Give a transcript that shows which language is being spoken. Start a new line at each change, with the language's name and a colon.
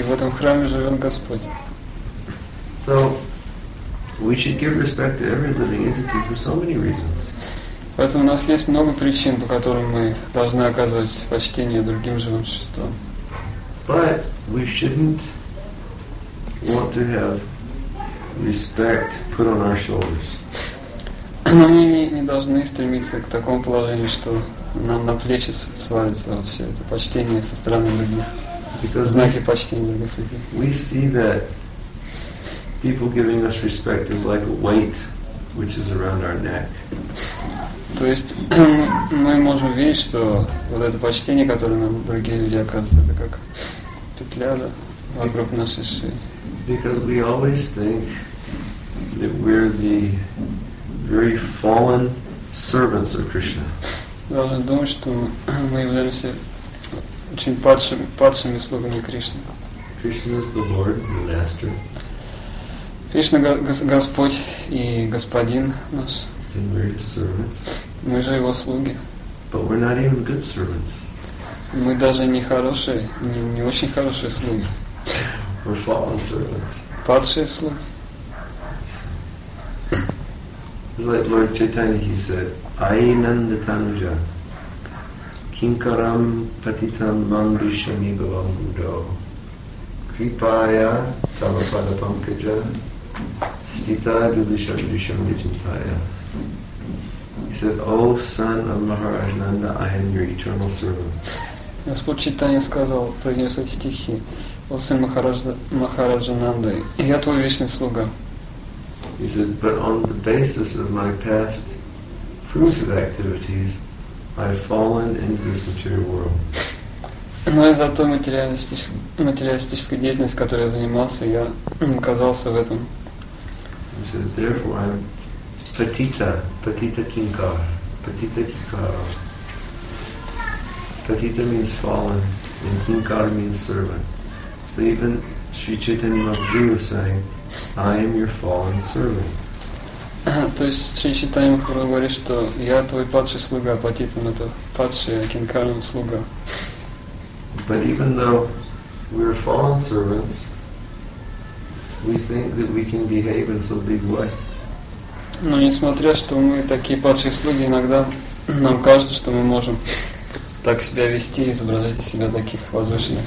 Russian: И в этом храме живет Господь.
English: So we should give respect to every living entity for so many reasons.
Russian: Поэтому у нас есть много причин, по которым мы должны оказывать почтение другим живым существам.
English: But we shouldn't want to have respect put on our shoulders.
Russian: Но мы не должны стремиться к такому положению, что нам на плечи свалится вот все это почтение со стороны других.
English: Because
Russian: знаки почтения других людей.
English: We see that people giving us respect is like a weight which is around our neck.
Russian: То есть мы можем видеть, что вот это почтение, которое нам другие люди оказывают, это как петля, да, вокруг нашей шеи.
English: Because we always think that we're the very fallen servants of Krishna.
Russian: Должны думать, что мы являемся очень падшими слугами Кришны.
English: Krishna is the Lord, the Master.
Russian: Кришна Господь и Господин наш.
English: And we're His servants.
Russian: Мы же Его слуги.
English: But we're not even good servants.
Russian: Мы даже не хорошие, не очень хорошие слуги.
English: We're fallen servants.
Russian: Падшие слуги.
English: It's like Lord Chaitanya, he said,
Sanskrit: Ai nanda tanuja, kinkaram patitam mangrishami bhavamudo, kripaya tamapada pankaja, sita dulisham disham vijintaya.
English: He said, O son of Maharaj Nanda, I am your eternal servant.
Russian: Господь Читания сказал, произнес эти стихи, «О сын Махараджа Нанды, я твой вечный слуга».
English: He said, but on the basis of my past fruitive activities, I've fallen into this material world.
Russian: Но из-за той материалистической деятельности, которой я занимался, я оказался в этом.
English: He said, therefore I'm patita, patita kinkar, patita kikara. Patita means fallen, and kinkar means servant. So even Sri Chaitanya Mahaprabhu was saying, I am your fallen servant.
Russian: То есть Шри Чайтанья Махапрабху говорит, что я твой падший слуга, патитам это падший, акинкарам слуга.
English: But even though we are fallen servants, we think that we can behave in some big way.
Russian: Но несмотря, что мы такие падшие слуги, иногда нам кажется, что мы можем так себя вести, изображать из себя таких возвышенных